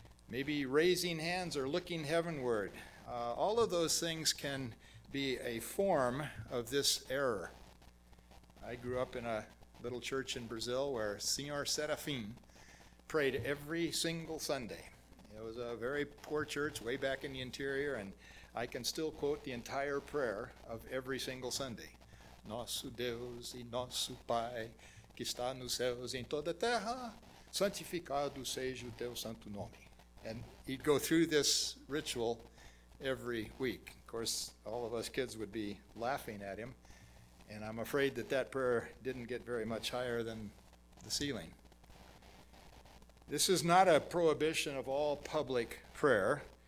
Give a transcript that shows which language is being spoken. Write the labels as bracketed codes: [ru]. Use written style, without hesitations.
[en] Maybe raising hands or looking heavenward. All of those things can be a form of this error. I grew up in a little church in Brazil where Senhor Serafim prayed every single Sunday. It was a very poor church way back in the interior, and I can still quote the entire prayer of every single Sunday. [pt] Nosso Deus e nosso Pai, que está nos céus e em toda a terra, santificado seja o teu santo nome. [en] And he'd go through this ritual every week. Of course, all of us kids would be laughing at him, and I'm afraid that that prayer didn't get very much higher than the ceiling. This is not a prohibition of all public prayer.